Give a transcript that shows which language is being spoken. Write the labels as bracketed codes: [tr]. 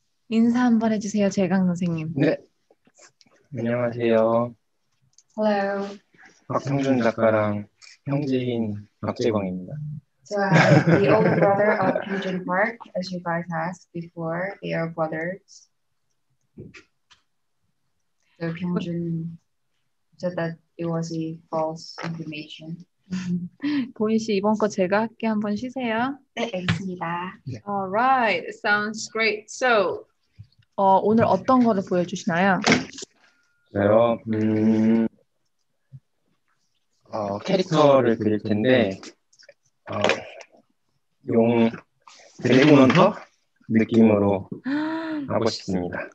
[ko] 인사 한번 해주세요, 재광 선생님. 네. 안녕하세요. [en] Hello. [ko] 박형준 작가랑 형제인 박재광입니다. [en] So the older brother of Pyeongjun Park, as you guys asked before, they are brothers. So Pyeongjun said that it was a false information. [ko] 보인 씨 이번 거 제가 할게 한번 쉬세요. 네, 알겠습니다. [en] All right, sounds great. [ko] So 오늘 어떤 거를 보여주시나요? 저요? 캐릭터를 그릴 텐데 용 드래곤헌터 느낌으로 하고 싶습니다.